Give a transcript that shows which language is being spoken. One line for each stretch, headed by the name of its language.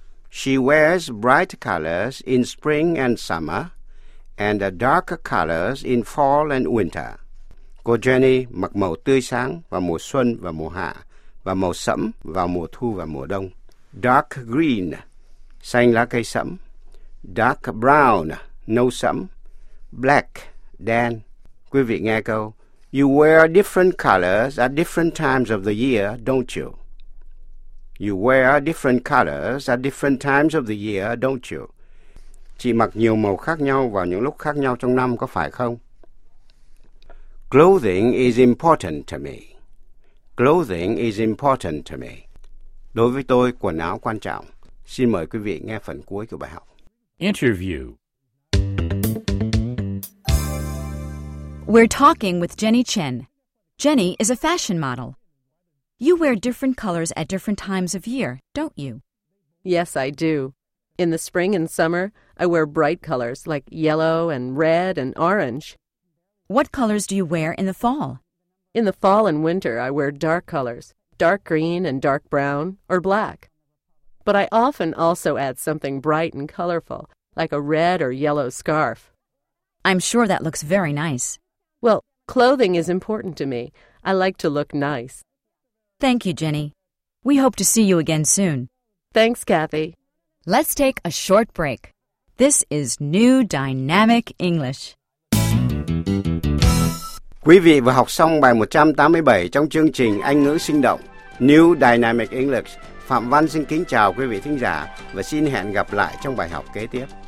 English: She wears bright colors in spring and summer, and darker colors in fall and winter.
Vietnamese: Cô Jenny mặc màu tươi sáng vào mùa xuân và mùa hạ, và màu sẫm vào mùa thu và mùa đông. Dark green, xanh lá cây sẫm. Dark brown, nâu sẫm. Black, đen. Quý vị nghe câu,
English: you wear different colors at different times of the year, don't you? You wear different colors at different times of the year, don't you?
Vietnamese: Chị mặc nhiều màu khác nhau vào những lúc khác nhau trong năm, có phải không?
English: Clothing is important to me. Clothing is important to me.
Vietnamese: Đối với tôi, quần áo quan trọng. Xin mời quý vị nghe phần cuối của bài học.
English: Interview. We're talking with Jenny Chen. Jenny is a fashion model. You wear different colors at different times of year, don't you? Yes, I do. In the spring and summer, I wear bright colors like yellow and red and orange. What colors do you wear in the fall? In the fall and winter, I wear dark colors, dark green and dark brown or black. But I often also add something bright and colorful, like a red or yellow scarf. I'm sure that looks very nice. Well, clothing is important to me. I like to look nice. Thank you, Jenny. We hope to see you again soon. Thanks, Kathy. Let's take a short break. This is New Dynamic English.
Vietnamese: Quý vị vừa học xong bài 187 trong chương trình Anh ngữ sinh động, New Dynamic English. Phạm Văn xin kính chào quý vị thính giả và xin hẹn gặp lại trong bài học kế tiếp.